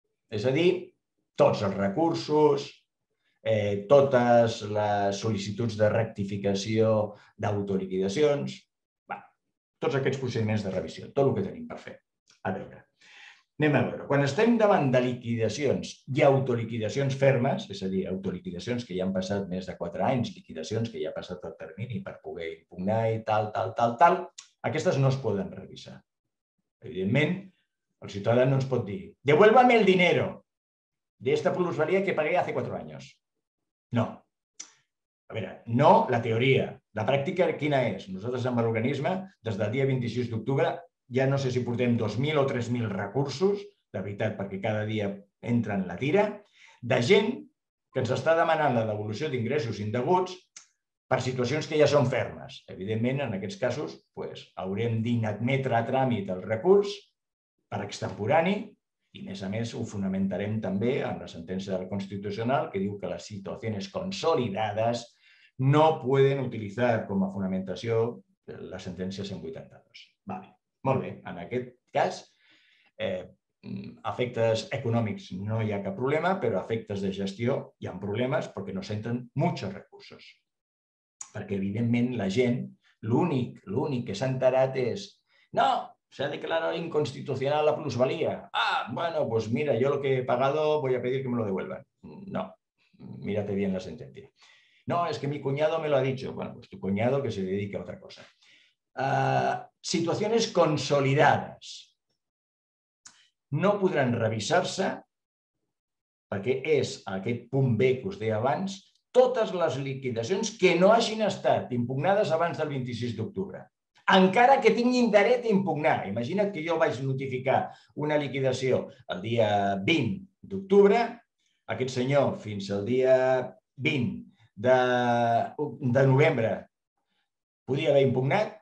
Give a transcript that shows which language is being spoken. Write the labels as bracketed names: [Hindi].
[Catalan] És a dir, tots els recursos, totes les sol·licituds de rectificació d'autoliquidacions, tots aquests procediments de revisió, tot el que tenim per fer. A veure. Anem a veure. Quan estem davant de liquidacions i autoliquidacions fermes, és a dir, autoliquidacions que ja han passat més de 4 anys, liquidacions que ja ha passat el termini per poder impugnar i tal, tal, tal, tal, aquestes no es poden revisar. Evidentment, el ciutadà no ens pot dir [Spanish] «devuélvame el dinero de esta plusvalía que pagué hace 4 años». [Catalan] No. A veure, no la teoria. La pràctica quina és? Nosaltres amb l'organisme, des del dia 26 d'octubre, ja no sé si portem 2.000 o 3.000 recursos, de veritat, perquè cada dia entra en la tira, de gent que ens està demanant la devolució d'ingressos indeguts per situacions que ja són fermes. Evidentment, en aquests casos, haurem d'inadmetre a tràmit el recurs per extemporani i, a més, ho fonamentarem també en la sentència del Constitucional que diu que les situacions consolidades no poden utilitzar com a fonamentació la sentència 182. D'acord. Molt bé, en aquest cas, efectes econòmics no hi ha cap problema, però efectes de gestió hi ha problemes perquè no s'entren molts recursos. Perquè, evidentment, la gent, l'únic que s'ha enterat és no, [Spanish] se ha declarado inconstitucional la plusvalía. Ah, bueno, pues mira, yo lo que he pagado voy a pedir que me lo devuelvan. No, mírate bien la sentencia. No, es que mi cuñado me lo ha dicho. Bueno, pues tu cuñado que se dedique a otra cosa. Situaciones consolidadas. [Catalan] No podran revisar-se, perquè és aquest punt B que us deia abans, totes les liquidacions que no hagin estat impugnades abans del 26 d'octubre. Encara que tinguin dret a impugnar. Imagina't que jo vaig notificar una liquidació el dia 20 d'octubre, aquest senyor fins al dia 20 de novembre podia haver impugnat?